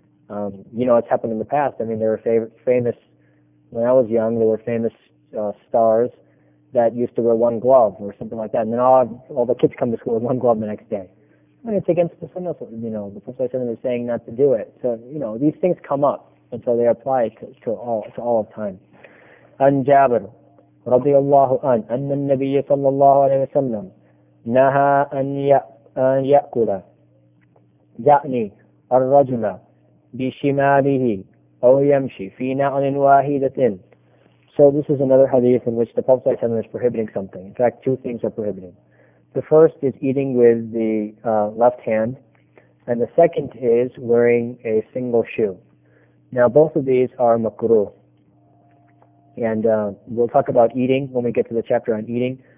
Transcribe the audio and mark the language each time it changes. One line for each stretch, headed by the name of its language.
English: You know, it's happened in the past. I mean, there were famous, when I was young, there were famous stars that used to wear one glove or something like that. And then all the kids come to school with one glove the next day. And it's against the sunnah, you know, the Prophet is saying not to do it. So, you know, these things come up. And so they apply to all of time.
Arabic: An Jabir رضي الله عنه أن النبي صلى الله عليه وسلم نهى أن يأكل يعني الرجل بشماله أو يمشي في نعل واحدة.
English: So this is another hadith in which the Prophet is prohibiting something. In fact, two things are prohibiting. The first is eating with the left hand, and the second is wearing a single shoe. Now both of these are makruh. And we'll talk about eating when we get to the chapter on eating.